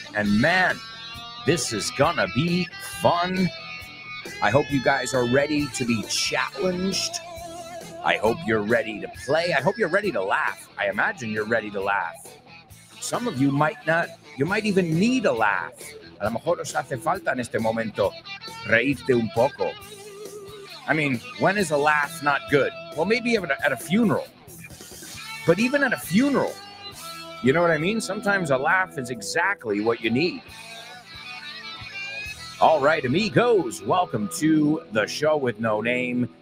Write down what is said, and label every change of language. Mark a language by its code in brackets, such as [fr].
[en] And man, this is gonna be fun. I hope you guys are ready to be challenged. I hope you're ready to play. I hope you're ready to laugh. I imagine you're ready to laugh. Some of you might not, you might even need a laugh. [es] A lo mejor os hace falta en este momento reírte un poco. [en] I mean, when is a laugh not good? Well, maybe at a funeral. But even at a funeral, you know what I mean? Sometimes a laugh is exactly what you need. All right, amigos, welcome to the show with no name.